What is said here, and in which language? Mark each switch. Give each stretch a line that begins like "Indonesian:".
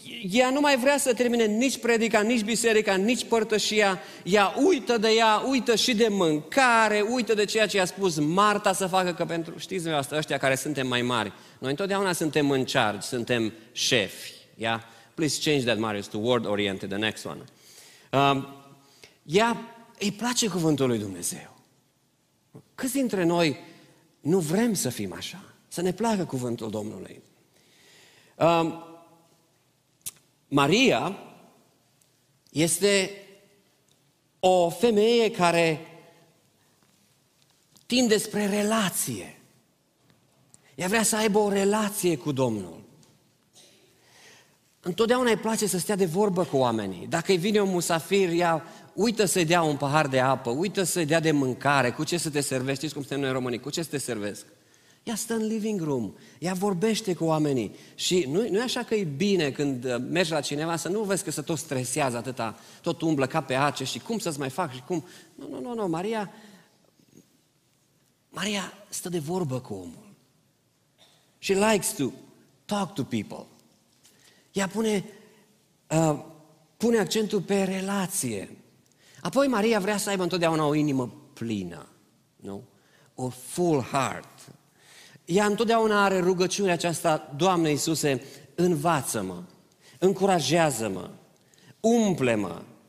Romanian: Ea nu mai vrea să termine nici predica, nici biserica, nici părtășia. Ea uită de ea, uită și de mâncare, uită de ceea ce i-a spus Marta să facă, că pentru, știți dumneavoastră, ăștia care suntem mai mari, noi întotdeauna suntem în charge, suntem șefi.
English: Ea, please change that, Marius, to word-oriented, the next one.
Romanian: Ea îi place cuvântul lui Dumnezeu. Câți dintre noi nu vrem să fim așa? Să ne placă cuvântul Domnului. Maria este o femeie care tinde spre relație. Ea vrea să aibă o relație cu Domnul. Întotdeauna îi place să stea de vorbă cu oamenii. Dacă îi vine un musafir, ea uită să-i dea un pahar de apă, uită să-i dea de mâncare, cu ce să te servești, știți cum suntem noi românii, cu ce să te servesc. Ea stă în living room, ea vorbește cu oamenii. Și nu e așa că e bine când mergi la cineva să nu vezi că se tot stresează atâta, tot umblă ca pe ace și cum să-ți mai fac și cum. Nu, Maria stă de vorbă cu omul.
English: She likes to talk to people.
Romanian: Ea pune accentul pe relație. Apoi Maria vrea să aibă întotdeauna o inimă plină, nu? O
English: full heart.
Romanian: Ea întotdeauna are rugăciunea aceasta: Doamne Iisuse, învață-mă, încurajează-mă, umple-mă.